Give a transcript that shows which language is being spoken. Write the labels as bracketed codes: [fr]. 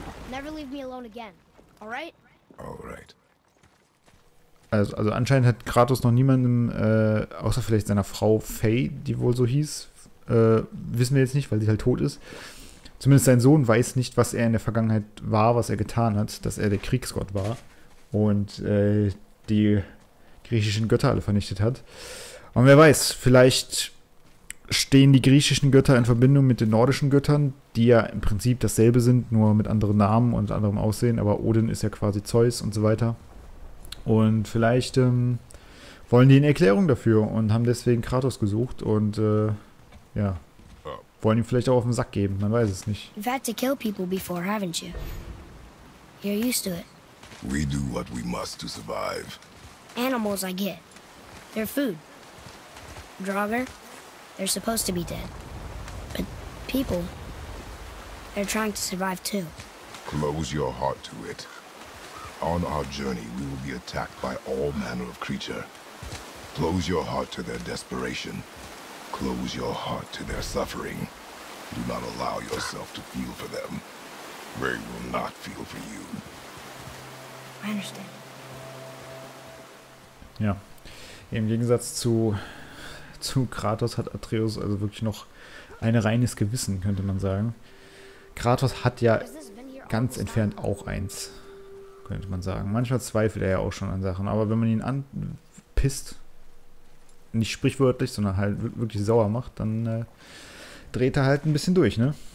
[en] Never leave me alone again, all right? All right. [de] Also anscheinend hat Kratos noch niemandem, außer vielleicht seiner Frau Faye, die wohl so hieß, wissen wir jetzt nicht, weil sie halt tot ist. Zumindest sein Sohn weiß nicht, was er in der Vergangenheit war, was er getan hat, dass er der Kriegsgott war und die griechischen Götter alle vernichtet hat. Und wer weiß, vielleicht stehen die griechischen Götter in Verbindung mit den nordischen Göttern, die ja im Prinzip dasselbe sind, nur mit anderen Namen und anderem Aussehen, aber Odin ist ja quasi Zeus und so weiter. Und vielleicht wollen die eine Erklärung dafür und haben deswegen Kratos gesucht und ja, wollen ihm vielleicht auch auf den Sack geben, man weiß es nicht. [en] You've had to kill people before, haven't you? You're used to it. We do what we must to survive. Animals I get. They're food. Draugr, they're supposed to be dead. But people, they're trying to survive too. Close your heart to it. On our journey, we will be attacked by all manner of creature. Close your heart to their desperation. Close your heart to their suffering. Do not allow yourself to feel for them. They will not feel for you. I understand. [de] Ja, im Gegensatz zu Kratos hat Atreus also wirklich noch ein reines Gewissen, könnte man sagen. Kratos hat ja ganz entfernt auch eins, könnte man sagen. Manchmal zweifelt er ja auch schon an Sachen, aber wenn man ihn anpisst, nicht sprichwörtlich, sondern halt wirklich sauer macht, dann dreht er halt ein bisschen durch, ne?